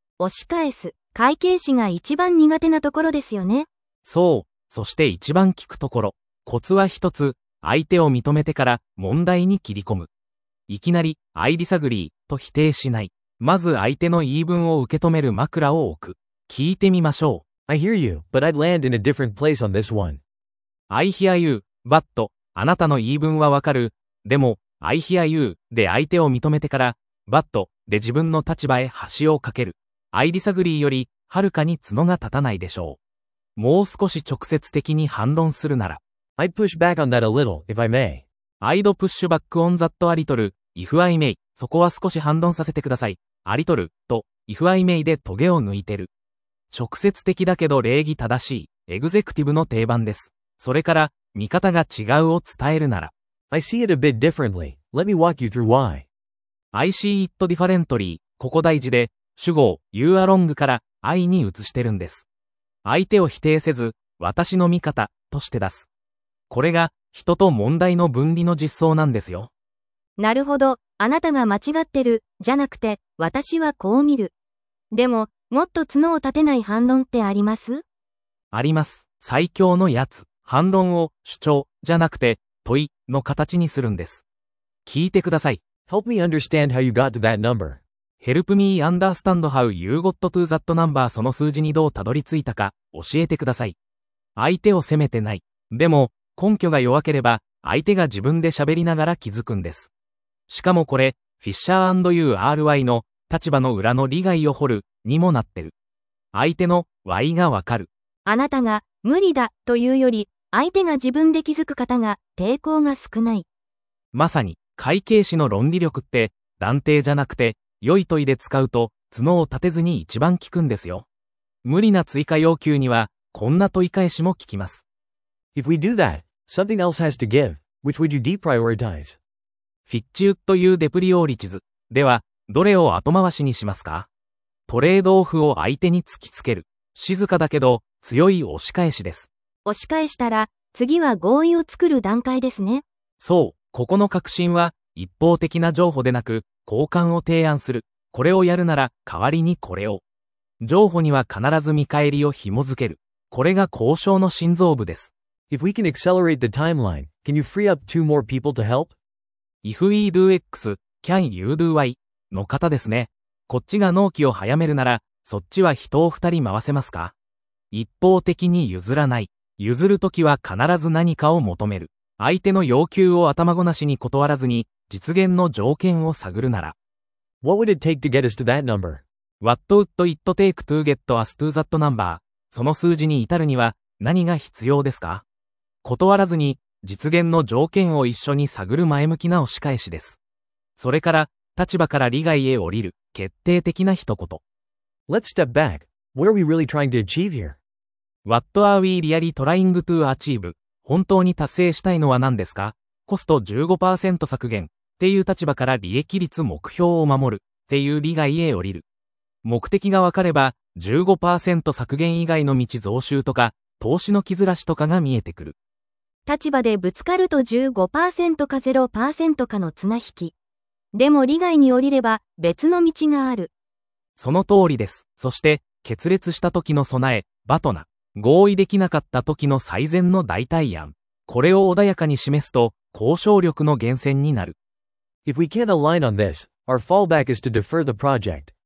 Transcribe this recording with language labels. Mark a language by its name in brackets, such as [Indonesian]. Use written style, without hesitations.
[Japanese] 押し返す、会計士が一番苦手なところですよね。そう、そして一番効くところ。コツは一つ、相手を認めてから問題に切り込む。いきなりアイディサグリーと否定しない。まず相手の言い分を受け止める枕を置く。聞いてみましょう。 [English] I hear you, but I'd land in a different place on this one. I hear you, but [Japanese] あなたの言い分はわかる。でも [English] I hear you [Japanese] で相手を認めてから、but で自分の立場へ橋を架ける。 [English] I disagree [Japanese] よりはるかに角が立たないでしょう。もう少し直接的に反論するなら。 [English] I'd push back on that a little, if I may. I'd push back on that a little, if I may. [Japanese] そこは少し反論させてください。 a little と [English] if I may [Japanese] でトゲを抜いてる。直接的だけど礼儀正しい、エグゼクティブの定番です。それから、見方が違うを伝えるなら。 [English] I see it a bit differently. Let me walk you through why. I see it differently. [Japanese] ここ大事で、主語を [English] you are wrong [Japanese] から I に移してるんです。相手を否定せず、私の見方として出す。これが人と問題の分離の実装なんですよ。なるほど。あなたが間違ってる、じゃなくて、私はこう見る。でも、もっと角を立てない反論ってあります？あります。最強のやつ。反論を主張、じゃなくて、問いの形にするんです。聞いてください。 [English] Help me understand how you got to that number. Help me understand how you got to that number. [Japanese] その数字にどうたどり着いたか教えてください。相手を責めてない。でも根拠が弱ければ相手が自分で喋りながら気づくんです。しかもこれ、Fisher & URI の立場の裏の利害を掘るにもなってる。相手の Y がわかる。あなたが無理だというより、相手が自分で気づく方が抵抗が少ない。まさに会計士の論理力って断定じゃなくて良い問いで使うと角を立てずに一番効くんですよ。無理な追加要求にはこんな問い返しも効きます。 [English] If we do that, something else has to give. Which would you deprioritize? [Japanese] フィッチウッドユーデプリオーリチズではどれを後回しにしますか。トレードオフを相手に突きつける、静かだけど強い押し返しです。押し返したら、次は合意を作る段階ですね。そう、ここの核心は、一方的な譲歩でなく、交換を提案する。これをやるなら、代わりにこれを。譲歩には必ず見返りを紐づける。これが交渉の心臓部です。 [English] If we can accelerate the timeline, can you free up two more people to help? If we do X, can you do Y? [Japanese] の方ですね。こっちが納期を早めるなら、そっちは人を二人回せますか？一方的に譲らない。譲るときは必ず何かを求める。相手の要求を頭ごなしに断らずに、実現の条件を探るなら。 [English] What would it take to get us to that number? What would it take to get us to that number? [Japanese] その数字に至るには何が必要ですか？断らずに、実現の条件を一緒に探る前向きな押し返しです。それから、立場から利害へ降りる、決定的な一言。 [English] Let's step back. What are we really trying to achieve here? What are we really trying to achieve? [Japanese] 本当に達成したいのは何ですか？コスト 15% 削減っていう立場から利益率目標を守るっていう利害へ降りる。目的が分かれば 15% 削減以外の道増収とか投資の木ずらしとかが見えてくる。立場でぶつかると 15% か 0% かの綱引き。でも利害に降りれば別の道がある。その通りです。そして、決裂した時の備え、バトナ、合意できなかった時の最善の代替案。これを穏やかに示すと、交渉力の源泉になる。 [English] If we can't align on this, our fallback is to defer the project.